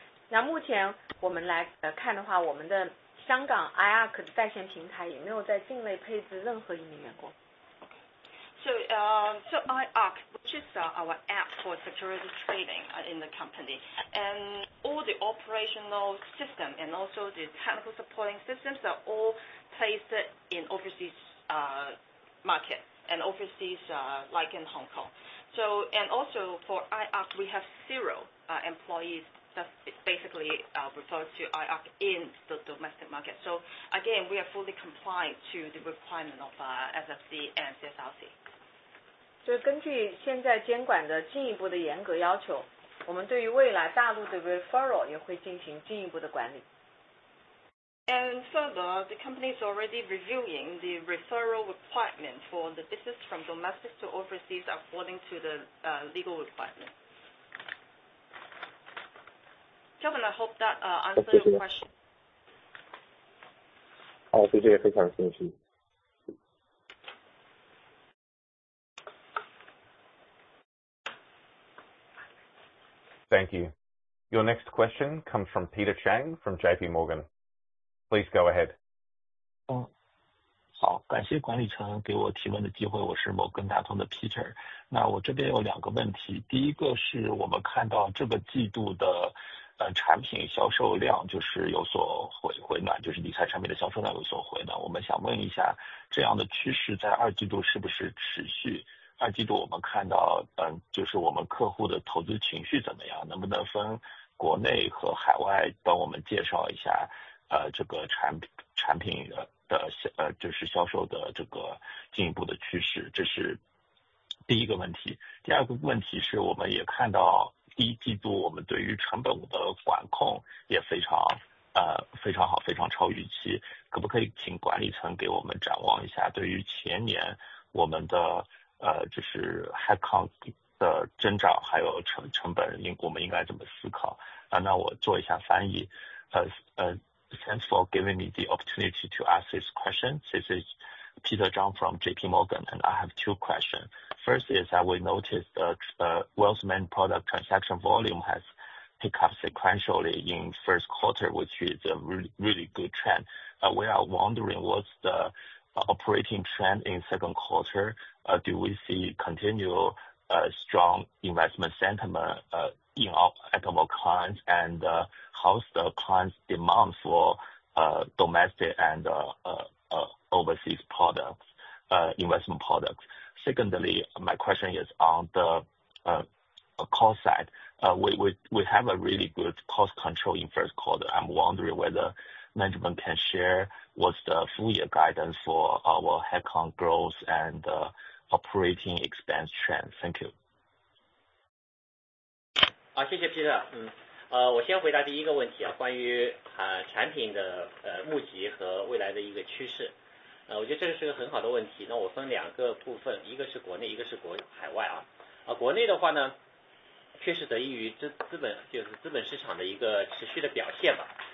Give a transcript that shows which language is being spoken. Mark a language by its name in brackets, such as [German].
[Chinese] 那目前我们来看的话，我们的香港 IARC 的在线平台也没有在境内配置任何一名员工。 [English] So iARC, which is our app for security trading in the company, and all the operational system and also the technical supporting systems are all placed in overseas market and overseas like in Hong Kong. So, and also for iARC, we have zero employees. That's basically refers to IARC in the domestic market. So again, we are fully compliant to the requirement of SFC and CSRC. [Chinese] 就根据现在监管的进一步的严格要求, 我们对于未来大陆的 referral 也会进行进一步的管理。 [English] And further, the company is already reviewing the referral requirement for the business from domestic to overseas according to the legal requirement. Kevin, I hope that answered your question. Oh, thank you. Your next question comes from Peter Chang from JP Morgan. Please go ahead. [Chinese] 好，感谢管理层给我提问的机会，我是摩根大通的 Peter。那我这边有两个问题，第一个是我们看到这个季度的产品销售量就是有所回暖，就是理财产品的销售量有所回暖。我们想问一下，这样的趋势在二季度是不是持续？二季度我们看到，就是我们客户的投资情绪怎么样？能不能分国内和海外帮我们介绍一下，这个产品的就是销售的这个进一步的趋势？这是第一个问题。第二个问题是我们也看到第一季度我们对于成本的管控也非常好，非常超预期。可不可以请管理层给我们展望一下，对于前年我们的就是 headcount 的增长还有成本我们应该怎么思考啊？那我做一下翻译。 [English] Thanks for giving me the opportunity to ask this question. This is Peter Zhang from JP Morgan, and I have two questions. First is that we noticed the wealth management product transaction volume has picked up sequentially in first quarter, which is a really, really good trend. We are wondering what's the operating trend in second quarter. Do we see continual strong investment sentiment in our clients, and how's the clients' demand for domestic and overseas products, investment products? Secondly, my question is on the cost side. We have a really good cost control in first quarter. I'm wondering whether management can share what's the full year guidance for our headcount growth and operating expense trend. Thank you. [Chinese] 好，谢谢 Peter。我先回答第一个问题啊，关于产品的募集和未来的一个趋势。我觉得这是个很好的问题。那我分两个部分，一个是国内，一个是海外啊。国内的话呢，确实得益于资本市场的一个持续的表现吧。